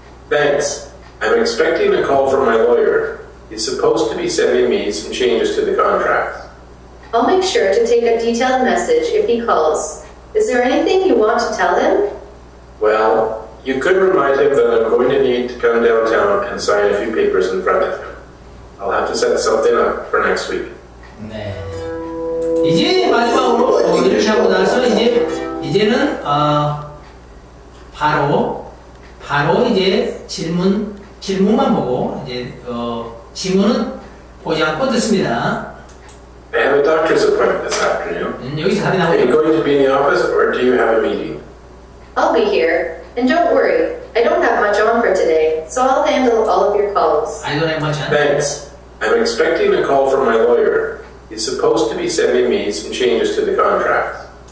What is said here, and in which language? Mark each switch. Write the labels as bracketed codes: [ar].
[en] Thanks. I'm expecting a call from my lawyer. He's supposed to be sending me some changes to the contract. I'll make sure to take a detailed message if he calls. Is there anything you want to tell him? Well, you could remind him that I'm going to need to come downtown and sign a few papers in front of him. I'll have to set something up for next week. [ko] 네. 이제 마지막으로 고기를 잡고 나서 이제는 바로 이제 질문만 보고 이제 질문은 보지 않고 듣습니다. [en] I have a doctor's appointment this afternoon. [ko] 여기서 답이 나오고. [en] Are you going to be in the office or do you have a meeting? I'll be here. And don't worry, I don't have much on for today, so I'll handle all of your calls. I don't have much on. Thanks. I'm expecting a call from my lawyer. He's supposed to be sending me some changes to the contract.